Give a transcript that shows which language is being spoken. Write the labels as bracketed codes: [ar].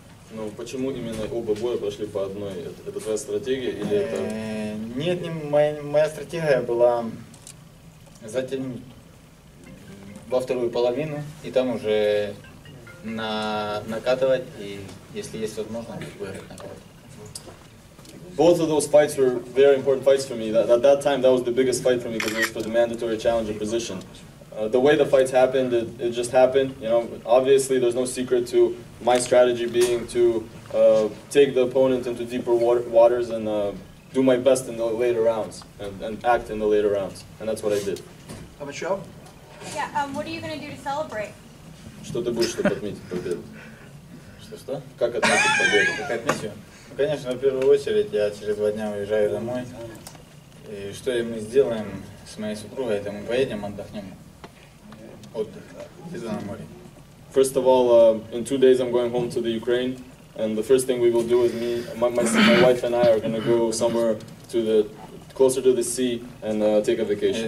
[ru] Ну почему именно оба боя прошли по одной? Это твоя стратегия или это? Нет, моя стратегия была затянуть во вторую половину и там уже накатывать, и если есть возможность, выиграть накатывать. [en] Both of those fights were very important fights for me. At that time, that was the biggest fight for me because it was for the mandatory challenger position. The way the fights happened, it just happened. You know, obviously there's no secret to my strategy being to take the opponent into deeper waters and do my best in the later rounds and act in the later rounds, and that's what I did. Have a show? Yeah. What are you going to do to celebrate? [ru] Что ты будешь, чтобы отметить победу? Что? Как отметить победу? Как отметить? Конечно, в первую очередь я через два дня уезжаю домой. И что мы сделаем с моей супругой, это мы поедем отдохнем. Отдых, да, на море. [en] First of all, in 2 days I'm going home to the Ukraine, and the first thing we will do is my wife and I are going to go somewhere to the closer to the sea and take a vacation.